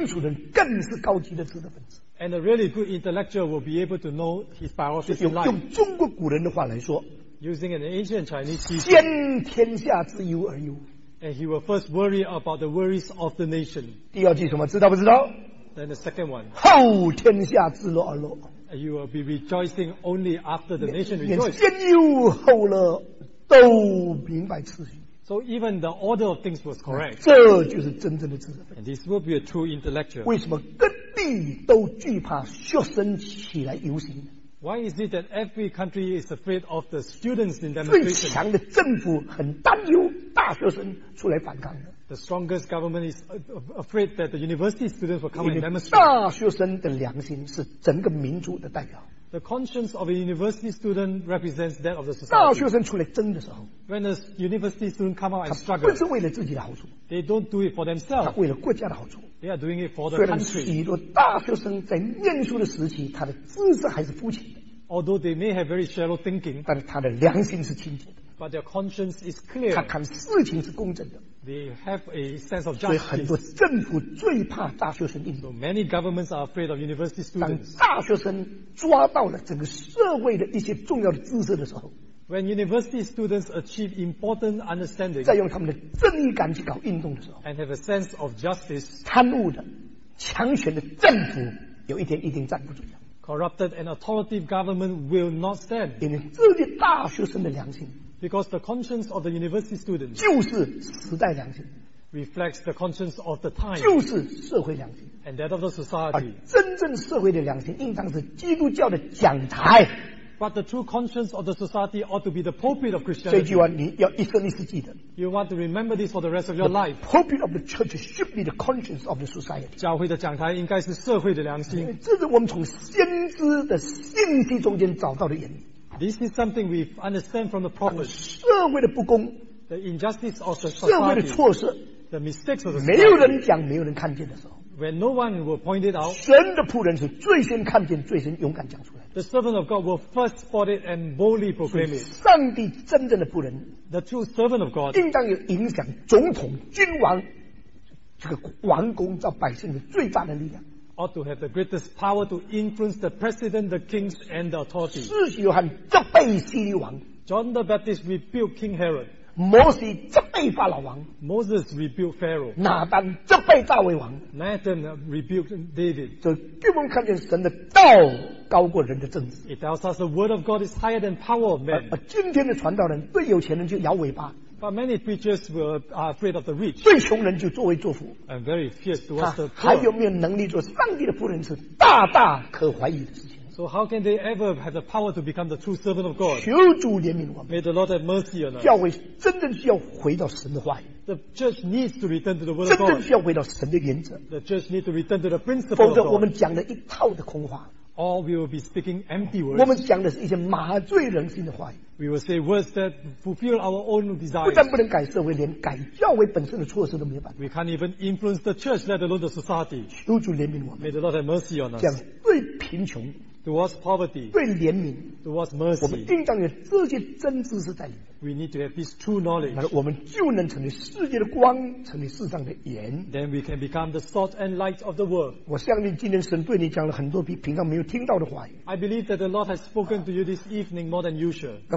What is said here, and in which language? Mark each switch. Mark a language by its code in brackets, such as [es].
[zh] 不但如此，先后也很清楚的，更是高级的知识分子。 [en] And a really good intellectual will be able to know his biography. [zh] 用中国古人的话来说， [en] using an ancient Chinese teaching, [zh] 先天下之忧而忧。 [en] And he will first worry about the worries of the nation. [zh] 第二句什么，知道不知道？ [en] Then the second one. [zh] 后天下之乐而乐。 [en] And you will be rejoicing only after the nation rejoices. [zh] 连先忧后乐都明白次序。 [en] So even the order of things was correct. [zh] 这就是真正的知识分子。 [en] And this will be a true intellectual. [zh] 为什么各地都惧怕学生起来游行？ [en] Why is it that every country is afraid of the students in demonstration? [zh] 最强的政府很担忧大学生出来反抗。 [en] The strongest government is afraid that the university students will come and demonstrate. [zh] 大学生的良心是整个民族的代表。 [en] The conscience of a university student represents that of the society. [zh] 大学生出来争的时候， [en] When a university student come out and struggle, [zh] 不是为了自己的好处， [en] They don't do it for themselves. [zh] 他为了国家的好处， [en] They are doing it for the country. [zh] 虽然许多大学生在念书的时期， 他的知识还是肤浅的， [en] Although they may have very shallow thinking, [zh] 但是他的良心是清洁的， [en] But their conscience is clear. [zh] 看事情是公正的。 [en] They have a sense of justice. [zh] 所以很多政府最怕大学生。 [en] So many governments are afraid of university students. [zh] 当大学生抓到了整个社会的一些重要的知识的时候。 [en] When university students achieve important understanding. [zh] 再用他们的正义感去搞运动的时候。 [en] And have a sense of justice. [zh] 贪污的、强权的政府有一天一定站不住。 [en] Corrupted and authoritative government will not stand. [zh] 因为这些大学生的良心。 [en] Because the conscience of the university students [zh] 就是时代良心, [en] reflects the conscience of the time [zh] 就是社会良心, [en] and that of the society. [zh] 真正社会的良心应当是基督教的讲台, [en] but the true conscience of the society ought to be the pulpit of Christianity. You want to remember this for the rest of your life. The pulpit of the church should be the conscience of the society. [zh] 教会的讲台应该是社会的良心, 这是我们从先知的信息中间找到的原因。 [en] This is something we understand from the prophets. [zh] 社会的不公, [en] the injustice of the society, [zh] 社会的错事, [en] the mistakes of the [zh] society, 没有人讲, 没有人看见的时候, [en] when no one will point it out, [zh] 神的仆人是最先看见, 最先勇敢讲出来, [en] the servant of God will first spot it and boldly proclaim it. [zh] 上帝真正的仆人, [en] the true servant of God, [zh] 应当有影响总统, 君王, 这个王公, 到百姓的最大的力量, [en] ought to have the greatest power to influence the president, the kings, and the authority. [zh] 是约翰责备西律王, [en] John the Baptist rebuked King Herod. [zh] 摩西责备法老王, [en] Moses rebuked Pharaoh. [zh] 拿单责备大卫王, [en] Nathan rebuked David. [zh] 就给我们看见神的道高过人的政治。 [en] It tells us the word of God is higher than power of man. [zh] 今天的传道人对有钱人就摇尾巴。 [en] But many preachers were afraid of the rich. [zh] 对穷人就作威作福, [en] and very fierce towards the poor. [zh] 还有没有能力做上帝的仆人是大大可怀疑的事情。 [en] So how can they ever have the power to become the true servant of God? [zh] 求主怜悯我们。 [en] May the Lord have mercy on us. [zh] 教会真正需要回到神的话语。 [en] The church needs to return to the word of God. [zh] 真正需要回到神的原则。 [en] The church needs to return to the principle of God. [zh] 否则我们讲了一套的空话。 [en] Or we will be speaking empty words. [zh] 我们讲的是一些麻醉人心的话语。 [en] We will say words that fulfill our own desires. [zh] 不但不能改社会，连改教会本身的措施都没有办法。 [en] We can't even influence the church, let alone the society. [zh] 求主怜悯我们。 [en] May the Lord have mercy on us. [zh] 这样对贫穷, [en] towards poverty, [zh] 对怜悯, [en] towards mercy, [zh] 我们应当有这些真知识在里面。 [en] We need to have this true knowledge. [zh] 我们就能成为世界的光, 成为世上的盐。 [en] Then we can become the salt and light of the world. [zh] 我相信今天神对你讲了很多比平常没有听到的话语。 [en] I believe that the Lord has spoken to you this evening more than usual.